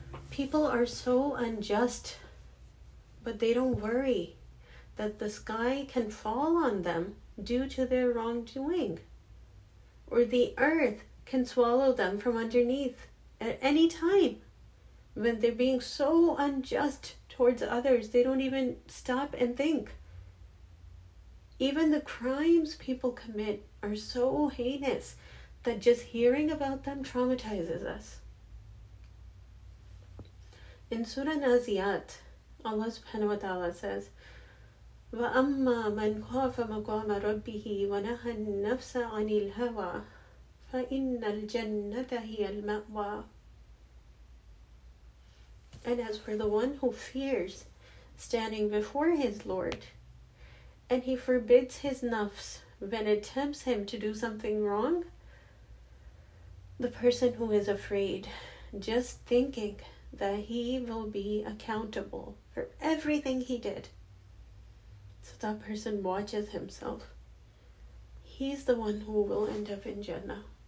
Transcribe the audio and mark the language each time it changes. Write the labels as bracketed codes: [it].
[en] People are so unjust, but they don't worry that the sky can fall on them due to their wrongdoing, or the earth can swallow them from underneath at any time. When they're being so unjust towards others, they don't even stop and think. Even the crimes people commit are so heinous that just hearing about them traumatizes us. In Surah Naziat, Allah subhanahu wa ta'ala says, [ar] وَأَمَّا مَنْ خَافَ مَقَامَ رَبِّهِ وَنَهَى النَّفْسَ عَنِ الْهَوَى فَإِنَّ الْجَنَّةَ هِيَ الْمَأْوَى. [en] And as for the one who fears standing before his Lord, and he forbids his nafs when it tempts him to do something wrong, the person who is afraid, just thinking that he will be accountable for everything he did, so that person watches himself, he's the one who will end up in Jannah.